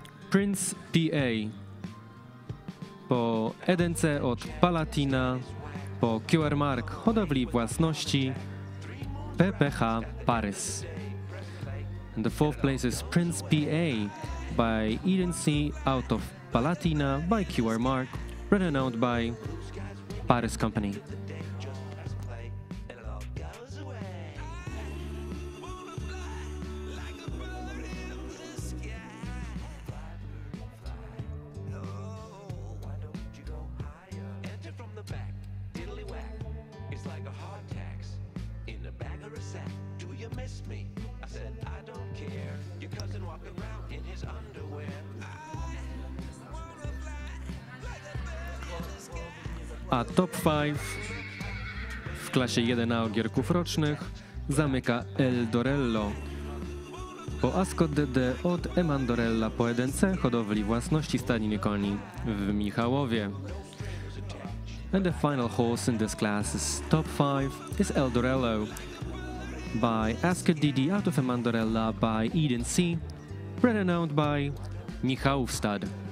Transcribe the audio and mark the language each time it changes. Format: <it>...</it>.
<pl>Prince PA. Po Edence od Palatina, po QR Mark hodowli własności, PPH Paris.</pl> <en>And the fourth place is Prince PA by Edence out of Palatina by QR Mark, renowned by Paris Company.</en> <pl>A top 5 w klasie 1A ogierków rocznych zamyka El Dorello. Po Ascot DD od Emandorella po EDC hodowli własności Stadniny Koni w Michałowie.</pl> <en>And the final horse in this class is top 5 is El Dorello. By Ascot DD out of Emandorella by Eden C. Renowned by Michałów Stad.</en>